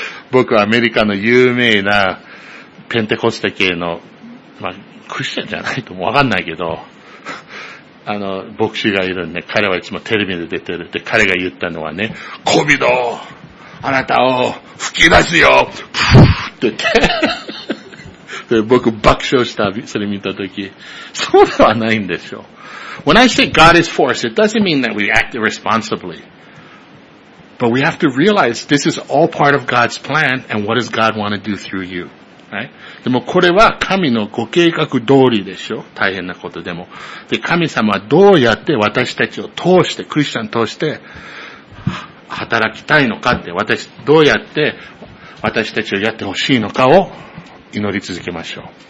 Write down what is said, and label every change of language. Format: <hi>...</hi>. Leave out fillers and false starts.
<ja>僕はアメリカの有名なペンテコステ系の、まあ、クリスチャンじゃないともわかんないけど、牧師がいるんで、彼はいつもテレビで出てる。で、彼が言ったのはね、コビド、あなたを吹き出すよ、プフッって言って。で、僕爆笑した、それ見たとき。そうではないんですよ。</ja> <en>When I say God is for us, it doesn't mean that we act irresponsibly. But we have to realize this is all part of God's plan and what does God want to do through you.</en> <ja>Right? でもこれは神のご計画通りでしょ。大変なことでも。で、神様はどうやって私たちを通して、クリスチャン通して働きたいのかって、どうやって私たちをやってほしいのかを祈り続けましょう。</ja>